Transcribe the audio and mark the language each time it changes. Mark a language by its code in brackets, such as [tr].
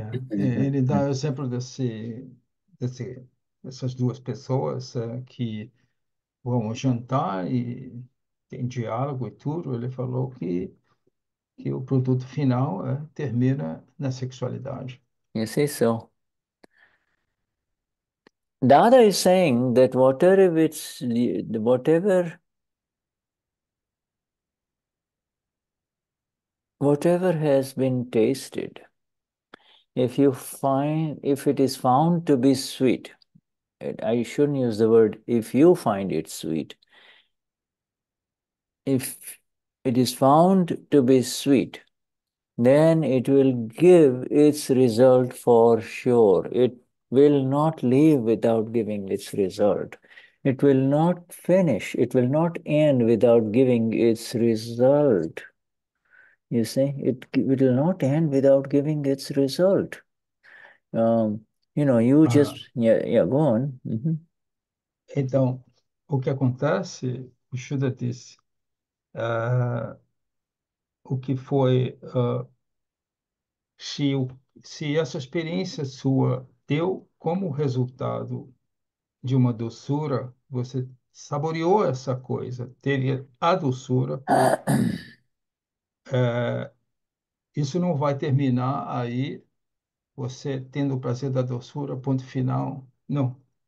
[pt] Ele dá o exemplo dessas duas pessoas que vão jantar e tem diálogo e tudo. Ele falou que o produto final termina na sexualidade. [en] You see, so. Dada is saying that whatever has been tasted, if it is found to be sweet, I shouldn't use the word if you find it sweet. If it is found to be sweet, then it will give its result for sure. It will not leave without giving its result. It will not finish, it will not end without giving its result. You see, it will not end without giving its result. You just, go on. Mm-hmm. [pt] Então, o que acontece, o Shuddha disse, o que foi, se essa experiência sua deu como resultado de uma doçura, você saboreou essa coisa, teve a doçura, isso não vai terminar aí, você tendo o prazer da doçura, ponto final, não.